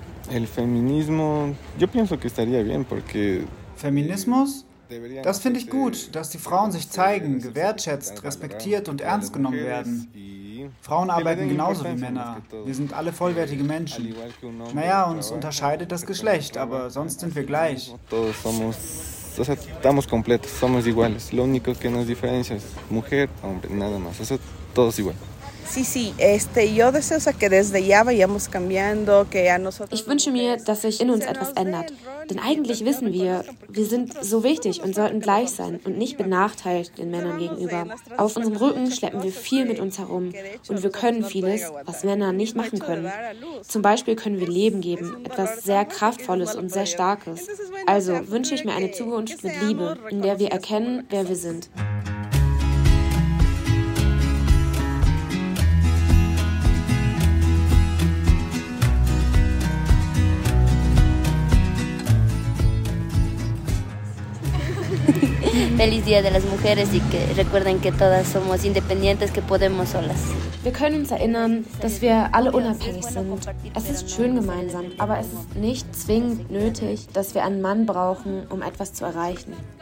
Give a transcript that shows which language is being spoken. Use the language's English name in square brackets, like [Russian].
[Spanish] El feminismo, yo pienso que estaría bien porque [German] Feminismus? Das finde ich gut, dass die Frauen sich zeigen, gewertschätzt, respektiert und ernst genommen werden. Frauen arbeiten genauso wie Männer. Wir sind alle vollwertige Menschen. Naja, uns unterscheidet das Geschlecht, aber sonst sind wir gleich. [Spanish] Todos somos, o sea, estamos completos, somos iguales. Lo único que nos diferencia es mujer, hombre, nada más. O sea, todos igual. [German] Ich wünsche mir, dass sich in uns etwas ändert. Denn eigentlich wissen wir, wir sind so wichtig und sollten gleich sein und nicht benachteiligt den Männern gegenüber. Auf unserem Rücken schleppen wir viel mit uns herum und wir können vieles, was Männer nicht machen können. Zum Beispiel können wir Leben geben, etwas sehr Kraftvolles und sehr Starkes. Also wünsche ich mir eine Zukunft mit Liebe, in der wir erkennen, wer wir sind. [Spanish] Feliz Día de las Mujeres y que recuerden que todas somos independientes, que podemos solas. [German] Wir können uns erinnern, dass wir alle unabhängig sind. Es ist schön gemeinsam, aber es ist nicht zwingend nötig, dass wir einen Mann brauchen, um etwas zu erreichen.